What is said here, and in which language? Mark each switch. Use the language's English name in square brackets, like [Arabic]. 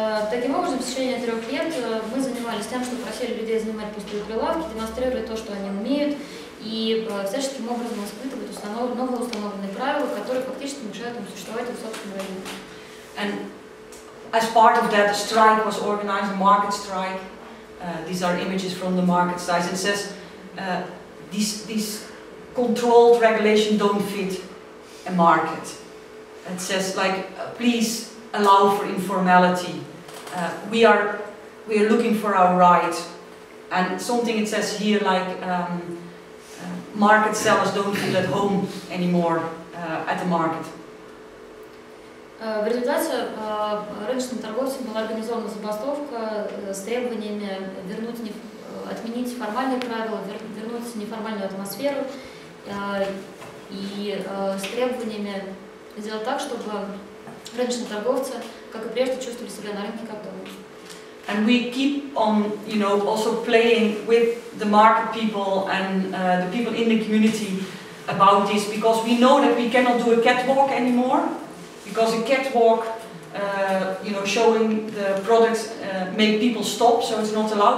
[Russian] Таким образом, в течение 3 лет мы занимались тем, что просили людей занимать пустые прилавки, демонстрировали то, что они умеют, и всяческим образом испытывать новые установленные правила, которые фактически мешают им существовать в собственном районе. [English] And as part of that, a strike was organized, a market strike. These are images from the market size. It says, these controlled regulations don't fit a market. It says, like, please allow for informality. We are looking for our right. And something it says here, like, market sellers don't feel at home anymore at the market. [Russian] В результате рыночным торговцам была организована забастовка с требованиями отменить формальные правила, вернуть неформальную атмосферу и с требованиями сделать так, чтобы рыночные торговцы, как и прежде, чувствовали себя на рынке как дома. [English] And we keep on, you know, also playing with the market people and the people in the community about this, because we know that we cannot do a catwalk anymore. Because a catwalk, you know, showing the products make people stop, so it's not allowed.